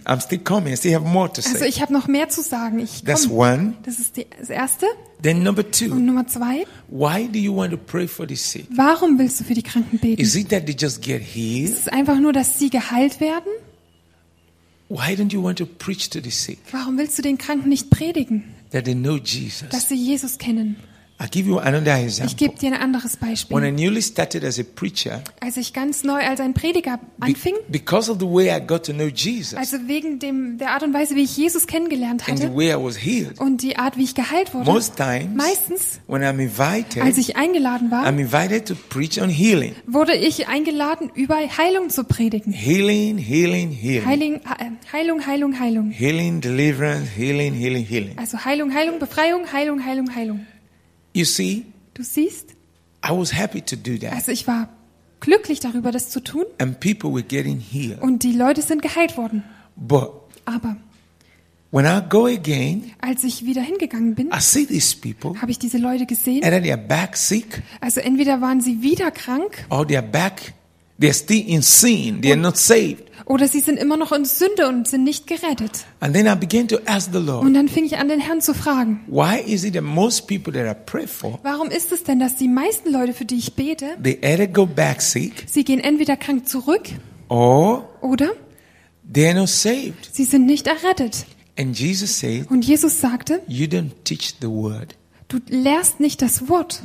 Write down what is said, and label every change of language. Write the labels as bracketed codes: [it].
[en] I'm still coming. I still have more to say. [de] Also ich habe noch mehr zu sagen. Ich komme. [en] That's one. [de] Das ist das Erste. [en] Then number two. [de] Und Nummer zwei. [en] Why do you want to pray for the sick? [de] Warum willst du für die Kranken beten? [en] Is it that they just get healed? [de] Ist es einfach nur, dass sie geheilt werden? [en] Why don't you want to preach to the sick? [de] Warum willst du den Kranken nicht predigen? [en] That they know Jesus. [de] Dass sie Jesus kennen. [en] I give you another example. [de] Ich gebe dir ein anderes Beispiel. [en] When I newly started as a preacher, [de] als ich ganz neu als ein Prediger anfing, [en] because of the way I got to know Jesus, [de] also wegen der Art und Weise, wie ich Jesus kennengelernt hatte, [en] and the way I was healed, [de] und die Art, wie ich geheilt wurde, [en] most times, [de] meistens, [en] when I'm invited, [de] als ich eingeladen war, [en] I'm invited to preach on healing, [de] wurde ich eingeladen, über Heilung zu predigen. [en] Healing, healing, healing. [de] Heilung, Heilung, Heilung. [en] Healing, deliverance, healing, healing, healing. [de] Also Heilung, Heilung, Befreiung, Heilung, Heilung, Heilung. [en] You see? [de] Du siehst? [en] I was happy to do that. [de] Also ich war glücklich darüber, das zu tun. [en] And people were getting healed. [de] Und die Leute sind geheilt worden. [en] But [de] aber [en] When I go again, [de] als ich wieder hingegangen bin, [en] I see these people, [de] habe ich diese Leute gesehen. [en] Either they are back sick, [de] also entweder waren sie wieder krank, [en] or they are back, they are still in sin, they are not saved. [de] Oder sie sind immer noch in Sünde und sind nicht gerettet. [en] And then I began to ask the Lord, [de] und dann fing ich an, den Herrn zu fragen, [en] why is it that most people that I pray for, [de] warum ist es denn, dass die meisten Leute, für die ich bete, [en] they either go back sick, [de] sie gehen entweder krank zurück, [en] or, [de] oder [en] they are not saved. [de] Sie sind nicht errettet. [en] And Jesus said, [de] und Jesus sagte, [en] you don't teach the word. [de] Du lehrst nicht das Wort.